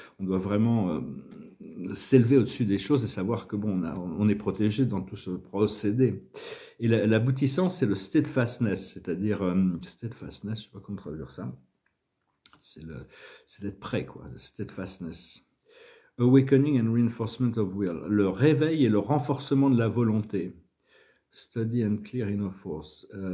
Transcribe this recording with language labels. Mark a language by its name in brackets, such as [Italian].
[French] On doit vraiment s'élever au-dessus des choses et savoir que bon, on est protégé dans tout ce procédé. Et l'aboutissant, c'est le steadfastness, c'est-à-dire steadfastness, je ne sais pas comment traduire ça. C'est d'être prêt, quoi, steadfastness. [English] Awakening and reinforcement of will. [French] Le réveil et le renforcement de la volonté. [English] Steady and clear inner force.